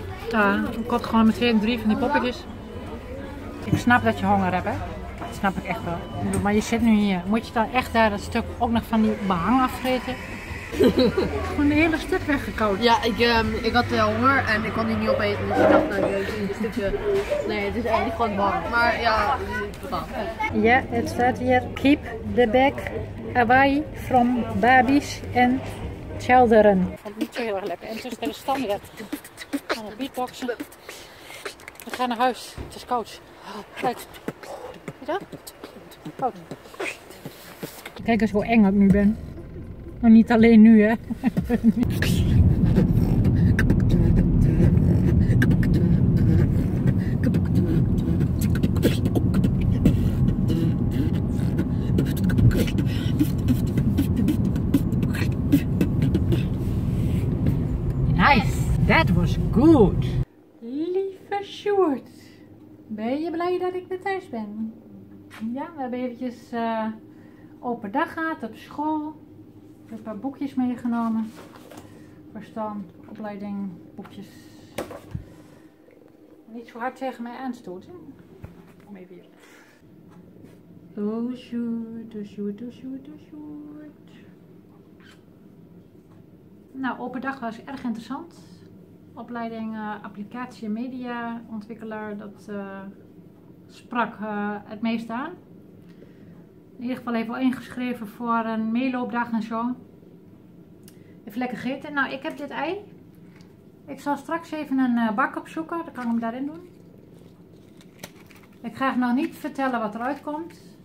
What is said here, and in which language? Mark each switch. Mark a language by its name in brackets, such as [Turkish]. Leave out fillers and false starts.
[Dutch] Ja, ik had gewoon met 2 en 3 van die poppetjes. Ik snap dat je honger hebt, hè? Dat snap ik echt wel. Maar je zit nu hier. Moet je dan echt daar dat stuk ook nog van die behang afvreten? Gewoon een hele stuk weggekauwd. Ja, ik had honger en ik kon die niet opeten. Dus ik dacht, nou, dit stukje. Nee, het is eigenlijk gewoon behang. Maar ja, het. Ja, het staat hier. [English] Keep the bag away from babies and children. [Dutch] Ik vond het niet zo heel erg lekker. En het is de standaard. Van een beatboxen. We gaan naar huis. Het is koud. Kijk. Kijk eens hoe eng ik nu ben. Maar niet alleen nu, hè. [English] Nice. That was good. [Dutch] Lieve [English] Sjoerd. [Dutch] Ben je blij dat ik weer thuis ben? Ja, we hebben eventjes open dag gehad op school. Ik heb een paar boekjes meegenomen. Waar staan opleiding, boekjes. Niet zo hard tegen mij aanstoten. Kom even hier. [English] Oh, shoot, oh, shoot, oh, shoot, oh, shoot. [Dutch] Nou, open dag was erg interessant. Opleiding applicatie media ontwikkelaar, dat sprak het meest aan. In ieder geval even ingeschreven voor een meeloopdag en zo. Even lekker gegeten. Nou, ik heb dit ei. Ik zal straks even een bak opzoeken, dan kan ik hem daarin doen. Ik ga nog niet vertellen wat eruit komt.